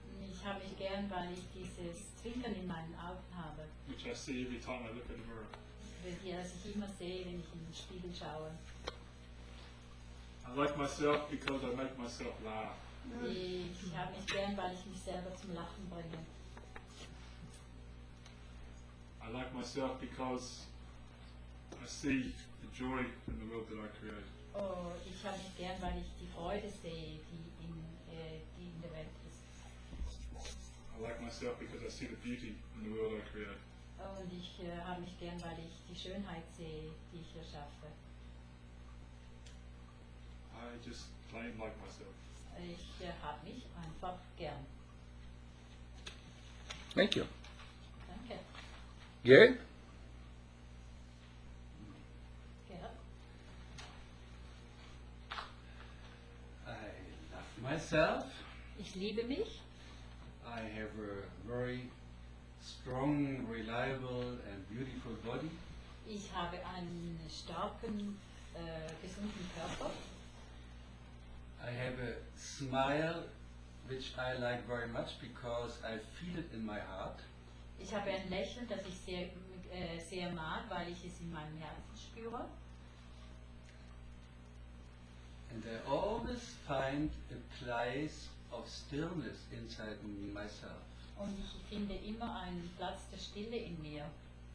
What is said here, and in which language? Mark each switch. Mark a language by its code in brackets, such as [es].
[de] Ich habe mich gern, weil ich dieses Zwinkern in meinen Augen habe. [en] Which I see every time I look in the mirror. [de] Das ich immer sehe, wenn ich in den Spiegel schaue. [en] I like myself because I make myself laugh. [de] Ich habe mich gern, weil ich mich selber zum Lachen bringe. [en] I like myself because I see the joy in the world that I create. [de] Oh, ich habe mich gern, weil ich die Freude sehe, die in der Welt. [en] I like myself because I see the beauty in the world I create. [de] Und ich habe mich gern, weil ich die Schönheit sehe, die ich erschaffe. [en] I just plain like myself. [de] Ich habe mich einfach gern. [en] Thank you. [de] Danke. Gerd? Gerd? [en] I love myself. [de] Ich liebe mich. [en] I have a very strong, reliable, and beautiful body. [de] Ich habe einen starken, gesunden Körper. [en] I have a smile, which I like very much because I feel it in my heart. [de] Ich habe ein Lächeln, das ich sehr mag, weil ich es in meinem Herzen spüre. [en] And I always find a place of stillness inside myself. [de] Und ich finde immer einen Platz der Stille in mir.